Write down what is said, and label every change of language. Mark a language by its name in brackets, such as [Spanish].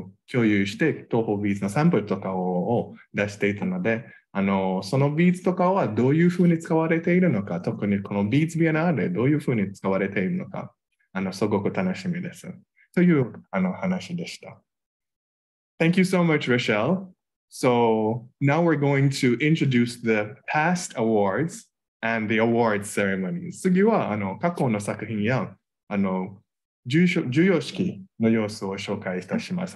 [Japanese] 共有して東方ビーズのサンプルとかを出していたので、そのビーズとかはどういうふうに使われているのか、特にこのビーズビエナーレどういうふうに使われているのか、すごく楽しみです。という話でした。 [English] Thank you so much, Rochelle. So now we're going to introduce the past awards and the award ceremonies. [Japanese] 次は過去の作品や授与式の様子を紹介いたします。